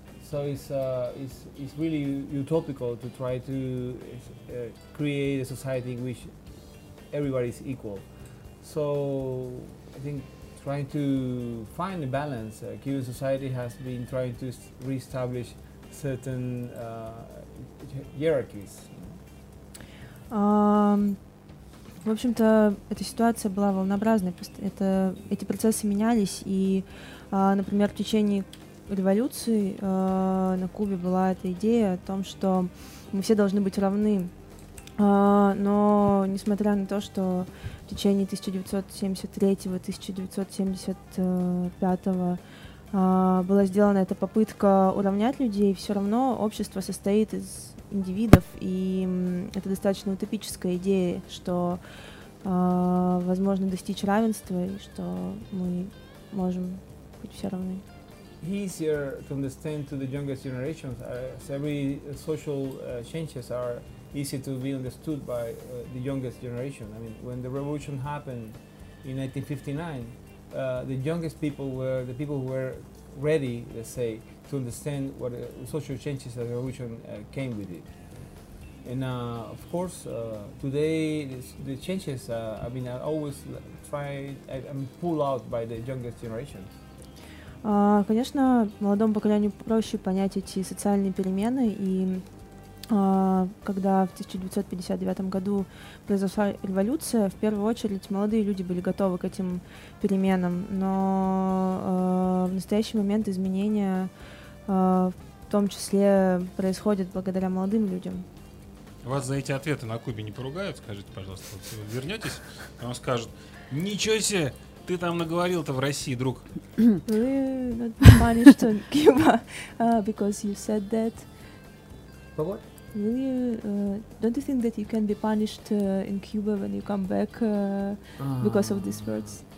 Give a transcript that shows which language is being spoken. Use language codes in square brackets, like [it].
[en] So it's really utopical to try to create a society in which everybody is equal. So I think trying to find a balance, Cuban society has been trying to reestablish certain hierarchies. [ru] В общем-то, эта ситуация была волнообразной. Эти процессы менялись, и, например, в течение революции на Кубе была эта идея о том, что мы все должны быть равны. Но несмотря на то, что в течение 1973-1975 была сделана эта попытка уравнять людей, все равно общество состоит из индивидов, и это достаточно утопическая идея, что возможно достичь равенства и что мы можем быть все равны. [en] Easier to understand to the youngest generations, as every social changes are easy to be understood by the youngest generation. I mean, when the revolution happened in 1959, the youngest people were the people who were ready, let's say, to understand what social changes of the revolution came with it. And of course, today the changes, I mean, I always try and pull out by the youngest generations. [ru] Конечно, молодому поколению проще понять эти социальные перемены, и когда в 1959 году произошла революция, в первую очередь молодые люди были готовы к этим переменам, но в настоящий момент изменения в том числе происходят благодаря молодым людям. Вас за эти ответы на Кубе не поругают? Скажите, пожалуйста, вот вы вернетесь, вам скажут: ничего себе, ты там наговорил-то в России, друг. Вы [en] not punished on Cuba because you said that. What? Will you, don't you think that you can be punished in Cuba when you come back because of these words?